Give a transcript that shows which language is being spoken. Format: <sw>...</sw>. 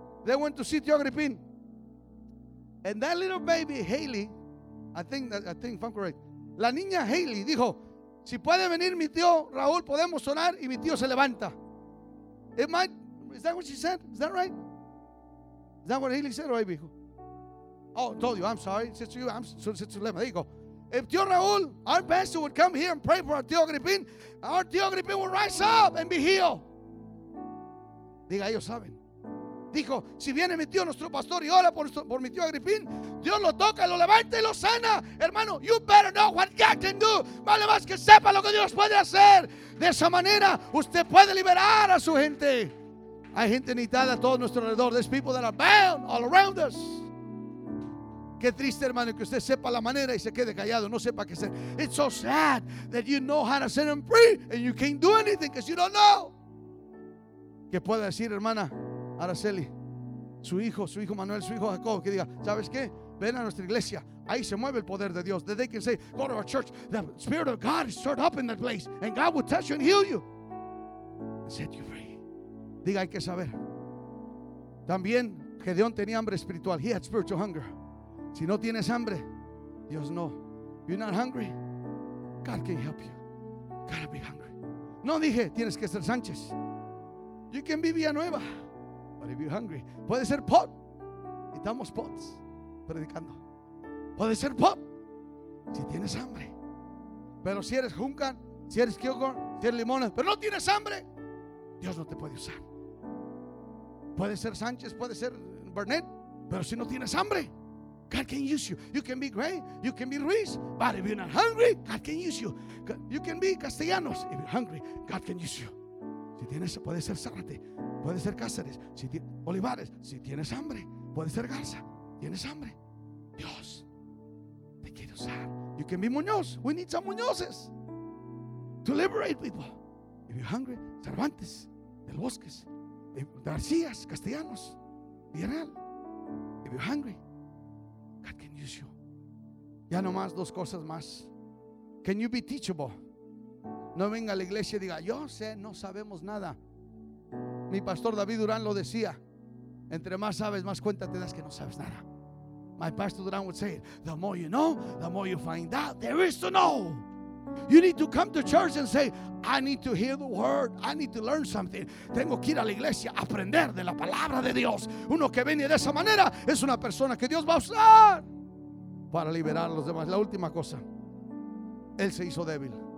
<en>They went to see Tio Agripin. And that little baby, Haley, I think if I'm correct,</en> <es>la niña Haley dijo, si puede venir mi tío Raúl, podemos orar y mi tío se levanta.</es> <en>Is that what she said? Is that right? Is that what Haley said, right, hijo? Oh, told you. I'm sorry. Sister Yubi, I'm sorry. There you go. If Tio Raul, our pastor, would come here and pray for our Tio Agripin would rise up and be healed.</en> <es>Diga, ellos saben. Dijo, si viene mi tío, nuestro pastor, y ora por mi tío Agripin, Dios lo toca, lo levanta y lo sana.</es> <en>Hermano, you better know what God can do.</en> <es>Vale más que sepa lo que Dios puede hacer. De esa manera, usted puede liberar a su gente. Hay gente necesitada a todo nuestro alrededor.</es> <en>There's people that are bound all around us.</en> <es>Qué triste, hermano, que usted sepa la manera y se quede callado, no sepa qué hacer.</es> <en>It's so sad that you know how to set them free and you can't do anything because you don't know.</en> <es>¿Qué puede decir, hermana Araceli? Su hijo Manuel, su hijo Jacob, que diga, ¿sabes qué? Ven a nuestra iglesia. Ahí se mueve el poder de Dios.</es> <en>They can say, go to our church. The Spirit of God is stirred up in that place and God will touch you and heal you and set you free.</en> <es>Diga, hay que saber. También Gedeón tenía hambre espiritual.</es> <en>He had spiritual hunger.</en> <es>Si no tienes hambre, Dios no.</es> <en>You're not hungry, God can help you. Gotta be hungry.</en> <es>No dije, tienes que ser Sánchez.</es> <en>You can be Villanueva, but if you're hungry,</en> <es>puede ser Pot. Estamos Pots predicando. Puede ser Pot si tienes hambre. Pero si eres Juncan, si eres Kilgore, si eres Limones, pero no tienes hambre, Dios no te puede usar. Puede ser Sánchez, puede ser Burnett, pero si no tienes hambre,</es> <en>God can use you. You can be Gray, you can be Ruiz, but if you're not hungry, God can use you. You can be Castellanos, if you're hungry, God can use you.</en> <es>Si tienes, puede ser Zárate, puede ser Cáceres, si Olivares, si tienes hambre, puede ser Garza, tienes hambre, Dios te quiere usar.</es> <en>You can be Muñoz, we need some Muñozes to liberate people. If you're hungry, Cervantes, Del Bosques, García, Castellanos, Villarreal. If you're hungry, God can use you.</en> <es>Ya nomás dos cosas más.</es> <en>Can you be teachable?</en> <es>No venga a la iglesia y diga, yo sé, no sabemos nada. Mi pastor David Durán lo decía, entre más sabes, más cuenta te das que no sabes nada.</es> <en>My pastor Durán would say, the more you know, the more you find out there is to know. You need to come to church and say, I need to hear the word, I need to learn something.</en> <es>Tengo que ir a la iglesia a aprender de la palabra de Dios. Uno que viene de esa manera es una persona que Dios va a usar para liberar a los demás. La última cosa, él se hizo débil.</es>